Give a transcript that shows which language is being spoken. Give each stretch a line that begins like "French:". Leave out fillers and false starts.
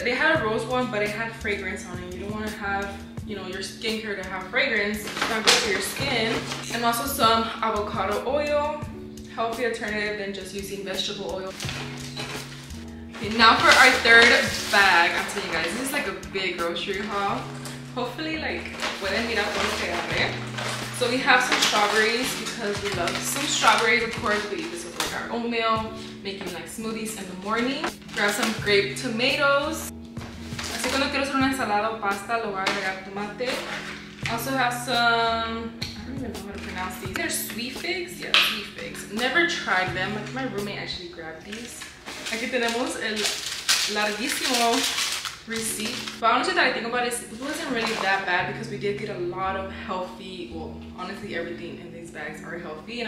English: They had a rose one, but it had fragrance on it. You don't want to have, you know, your skincare to have fragrance. It's not good for your skin. And also some avocado oil, healthy alternative than just using vegetable oil. Okay, now for our third bag. I'll tell you guys, this is like a big grocery haul. Hopefully, like,
Spanish: pueden mirar por lo que abre.
English: So we have some strawberries because we love some strawberries, of course. We eat this with like our oatmeal, making like smoothies in the morning. Grab some grape tomatoes.
Spanish: Así cuando quiero hacer una ensalada o pasta, lo voy a agregar tomate.
English: Also have some, I don't even know how to pronounce these. They're sweet figs? Yeah, sweet figs. Never tried them. Like, my roommate actually grabbed these.
Spanish: Aquí tenemos el larguísimo
English: receipt. But honestly, that I think about it, it wasn't really that bad because we did get a lot of healthy, well, honestly, everything in these bags are healthy.